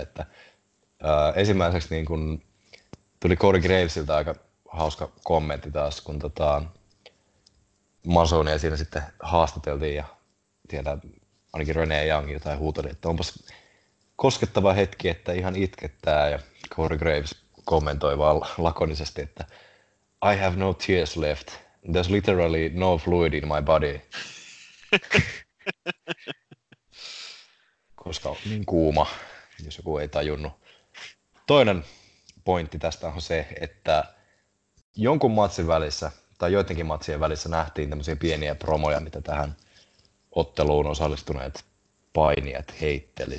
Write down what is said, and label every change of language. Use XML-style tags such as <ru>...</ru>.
<fi>Että, ensimmäiseksi niin kun tuli Corey Gravesilta aika hauska kommentti taas, kun Masonia siinä sitten haastateltiin ja siellä ainakin Renee Young jotain huutoi, että onpas koskettava hetki, että ihan itkettää, ja Corey Graves kommentoi vaan lakonisesti, että</fi> <en>I have no tears left. There's literally no fluid in my body.</en> <fi>Koska on niin kuuma, jos joku ei tajunnut. Toinen pointti tästä on se, että jonkun matsin välissä tai joidenkin matsien välissä nähtiin tämmöisiä pieniä promoja, mitä tähän otteluun osallistuneet painijat heitteli.</fi>